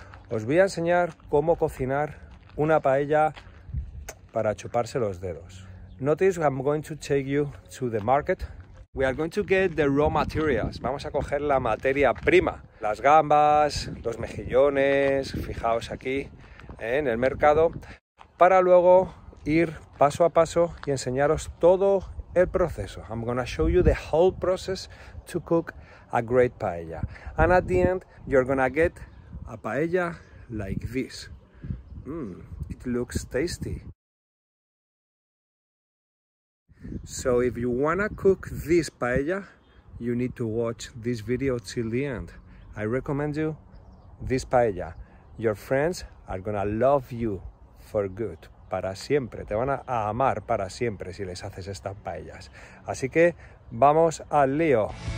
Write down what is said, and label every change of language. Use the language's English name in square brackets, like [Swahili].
[Spanish] Os voy a enseñar cómo cocinar una paella para chuparse los dedos. [English] Notice I'm going to take you to the market. We are going to get the raw materials. [Spanish] Vamos a coger la materia prima. Las gambas, los mejillones, fijaos aquí en el mercado, para luego ir paso a paso y enseñaros todo el proceso. [English] I'm going to show you the whole process to cook a great paella. And at the end, you're going to get a paella like this. It looks tasty. So if you want to cook this paella, you need to watch this video till the end. I recommend you this paella. Your friends are going to love you for good. [Spanish] Para siempre, te van a amar para siempre si les haces estas paellas. Así que vamos al lío.